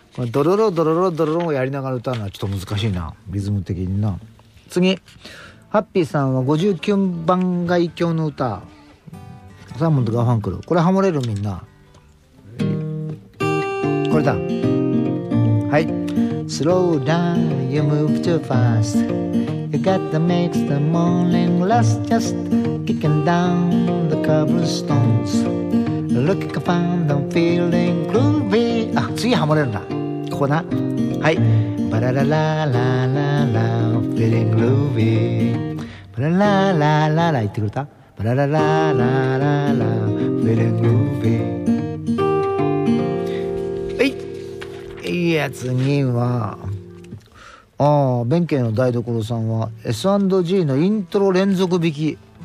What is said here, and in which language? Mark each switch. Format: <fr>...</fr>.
<ja>ドロロドロロドロロをやりながら歌うのはちょっと難しいな、リズム的にな。次、ハッピーさんは59番街橋の歌、サーモンとガファンクル。これハモれる、みんな、これだ。</ja> <en>はい、 Slow down, you move too fast, you gotta make the morning last, just kicking down the cobblestones, looking for the feeling groovy.</en> <ja>あ、次ハモれるな、ここな。はい、バララララララ</ja> <en>feeling groovy、</en> <ja>バララララララ言ってくれた、バララララララ feeling groovy。 はい、いや次は、あ、弁慶の台所さんは S&G のイントロ連続弾き。</ja>